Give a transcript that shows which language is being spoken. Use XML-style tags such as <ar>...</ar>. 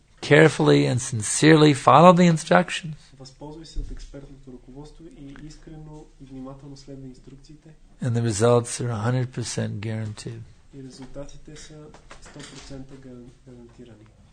<en>Carefully and sincerely follow the instructions.</en> <bg>Възползвай се от експертното ръководство и искрено и внимателно следвай инструкциите.</bg> <en>And the results are 100% guaranteed.</en> <bg>И резултатите са 100% гарантирани.</bg>